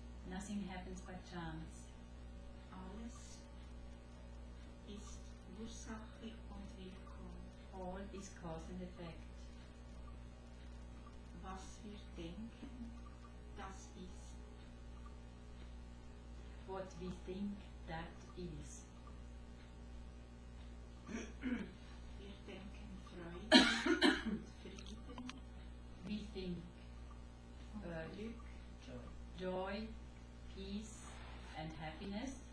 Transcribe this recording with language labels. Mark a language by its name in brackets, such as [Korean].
[English] Nothing happens by chance. [German] Alles ist Ursache und Wirkung. [English] All is cause and effect. [German] Was wir denken, das ist. [English] What we think, that is. [German] Wir denken Freude und Frieden. [English] We think [German] Glück, [English] joy, peace and happiness.